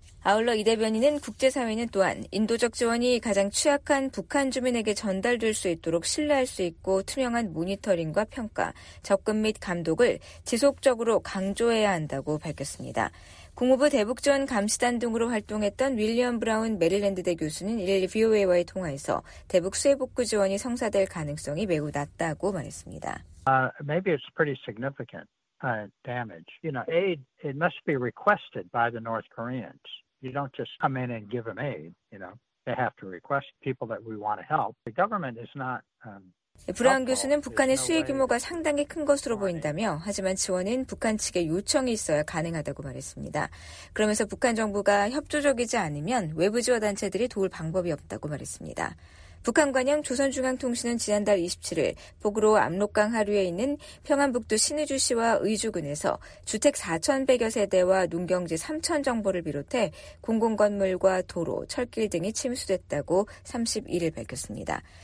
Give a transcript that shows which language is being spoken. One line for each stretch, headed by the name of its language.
Korean: 아울러 이 대변인은 국제사회는 또한 인도적 지원이 가장 취약한 북한 주민에게 전달될 수 있도록 신뢰할 수 있고 투명한 모니터링과 평가, 접근 및 감독을 지속적으로 강조해야 한다고 밝혔습니다. 국무부 대북지원 감시단 등으로 활동했던 윌리엄 브라운 메릴랜드대 교수는 이를 VOA와의 통화에서 대북 수해 복구 지원이 성사될 가능성이 매우 낮다고 말했습니다.
English: Maybe it's pretty significant damage. You know, aid, it must be requested by the North Koreans. You don't just come in and give them aid, you know. They have to request people that we want to help. The government is not
Korean: 브라운 교수는 북한의 수해 규모가 상당히 큰 것으로 보인다며 하지만 지원은 북한 측의 요청이 있어야 가능하다고 말했습니다. 그러면서 북한 정부가 협조적이지 않으면 외부 지원 단체들이 도울 방법이 없다고 말했습니다. 북한 관영 조선중앙통신은 지난달 27일 북으로 압록강 하류에 있는 평안북도 신의주시와 의주군에서 주택 4,100여 세대와 농경지 3,000 정보를 비롯해 공공건물과 도로, 철길 등이 침수됐다고 31일 밝혔습니다.